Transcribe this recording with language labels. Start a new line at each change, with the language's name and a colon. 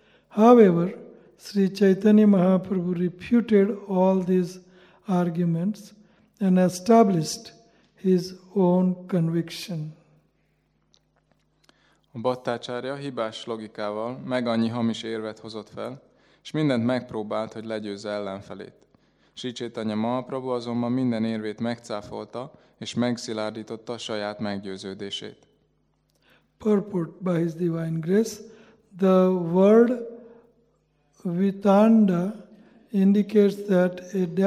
English: However, Sri Chaitanya Mahaprabhu refuted all these arguments and established his own conviction.
Hungarian: A Bhattacharya hibás logikával meg annyi hamis érvet hozott fel, és mindent megpróbált, hogy legyőzze ellenfelét. Sri Chaitanya Mahaprabhu azonban minden érvét megcáfolta, és megszilárdította saját meggyőződését.
English: Purport by His Divine Grace, the word Vitanda indicates that a